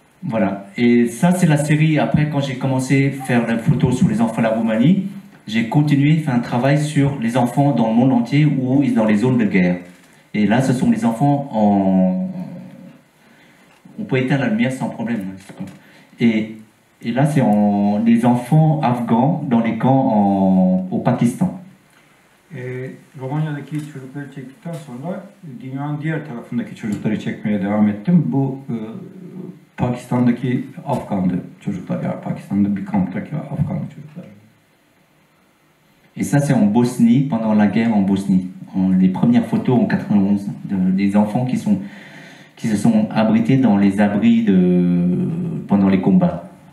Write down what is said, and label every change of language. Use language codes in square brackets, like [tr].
[fr] Voilà, et ça c'est la série. Après, quand j'ai commencé à faire des photos sur les enfants de la Roumanie, j'ai continué à faire un travail sur les enfants dans le monde entier où ils sont dans les zones de guerre. Et là, ce sont les enfants en... On peut éteindre la lumière sans problème. Et là, c'est les enfants afghans dans les camps au Pakistan. [tr] Romanya'daki çocukları çektikten sonra dünyanın diğer tarafındaki çocukları çekmeye devam ettim. Bu Pakistan'daki Afgan'dı çocuklar, yani Pakistan'da bir kamptaki Afgan'dı çocuklar. [fr] Et ça c'est en Bosnie, pendant la guerre en Bosnie. Les premières photos en 91, des enfants qui se sont abrités dans les abris pendant les combats.